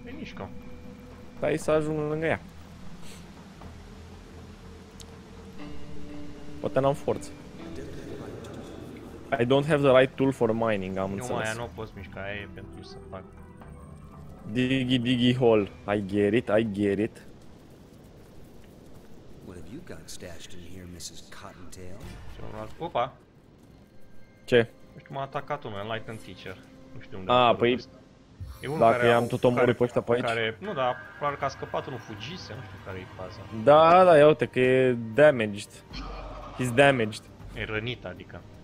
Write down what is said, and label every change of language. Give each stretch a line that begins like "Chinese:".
Romanian: E mișcă. Stai să ajung lângă ea. Poate n-am forță.
English: I don't have the right tool for mining,
Romanian: am înțeles. Nu, aia nu o poți mișca, aia e pentru să fac.
English: Diggy diggy hole. I get it. What have you got stashed in here, Mrs. Cottontail? Opa!
Romanian: Ce? Nu știu, m-a atacat unul, Enlightened Teacher. Nu știu unde. A, păi... E unul dacă care i-am tot omorât pe ăștia pe aici. Care, nu, dar probabil că a scăpat unul, fugise, nu știu care e faza. Da, da, ia uite că e damaged.
English: He's damaged.
Romanian: E rănit, adică.